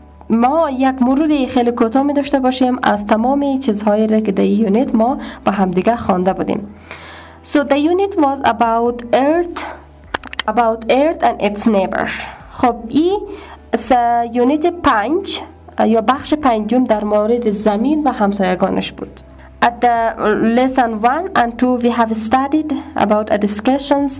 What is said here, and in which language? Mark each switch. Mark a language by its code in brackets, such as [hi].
[fa] ما یک مرور خیلی کوتاه می داشته باشیم از تمام چیزهایی را که در یونیت ما با همدیگه خوانده بودیم. [en] So the unit was about Earth and its neighbor. [fa] خب ای سا یونیت پنج یا بخش پنجم در مورد زمین و همسایگانش بود. [en] At the lesson 1 and 2 we have studied about a discussions.